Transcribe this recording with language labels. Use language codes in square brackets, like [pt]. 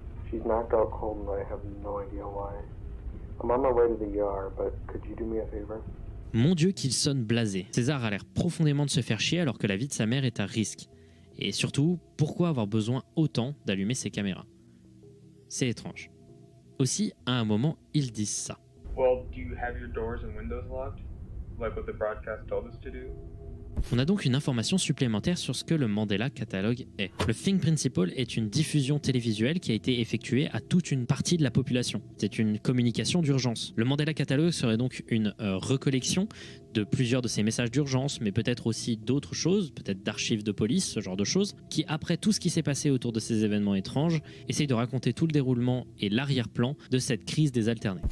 [en] She's knocked out cold and I have no idea why. I'm on my way to the ER, but could you do me a favor? [fr] Mon Dieu, qu'il sonne blasé. César a l'air profondément de se faire chier alors que la vie de sa mère est à risque. Et surtout, pourquoi avoir besoin autant d'allumer ses caméras? C'est étrange. Aussi, à un moment, ils disent ça. [en] Well, do you have your doors and windows locked? Like what the broadcast told us to do? [fr] On a donc une information supplémentaire sur ce que le Mandela Catalogue est. Le Think Principle est une diffusion télévisuelle qui a été effectuée à toute une partie de la population. C'est une communication d'urgence. Le Mandela Catalogue serait donc une recollection de plusieurs de ces messages d'urgence, mais peut-être aussi d'autres choses, peut-être d'archives de police, ce genre de choses, qui, après tout ce qui s'est passé autour de ces événements étranges, essayent de raconter tout le déroulement et l'arrière-plan de cette crise des alternés.